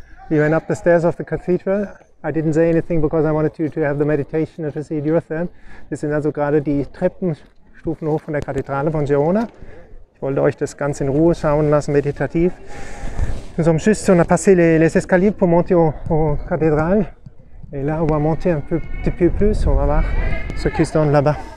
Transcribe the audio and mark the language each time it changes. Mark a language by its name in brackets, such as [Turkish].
[English] You went up the stairs of the cathedral. I didn't say anything because I wanted to have the meditation and to see your turn. [German] Wir sind also gerade die Treppenstufen hoch von der Kathedrale von Girona. Ich wollte euch das ganz in Ruhe schauen lassen, meditativ. [French] Nous sommes juste, on a passé les escaliers pour monter au cathédrale. Et là, on va monter un petit peu plus, on va voir ce qui se donne là-bas.